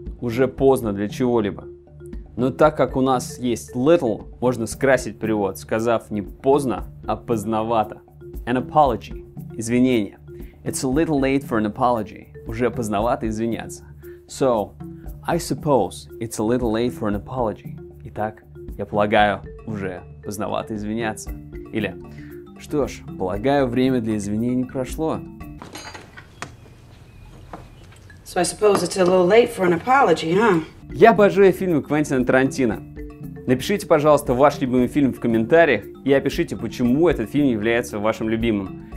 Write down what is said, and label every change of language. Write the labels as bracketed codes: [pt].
[ru] Уже поздно для чего-либо. Но так как у нас есть little, можно скрасить перевод, сказав не поздно, а поздновато. [en] An apology. Извинение. It's a little late for an apology. [ru] Уже поздновато извиняться. [en] So, I suppose it's a little late for an apology. [ru] Итак, я полагаю, уже поздновато извиняться. Или, что ж, полагаю, время для извинений прошло. [en] So I suppose it's a little late for an apology, huh? [ru] Я обожаю фильмы Квентина Тарантино. Напишите, пожалуйста, ваш любимый фильм в комментариях и опишите, почему этот фильм является вашим любимым.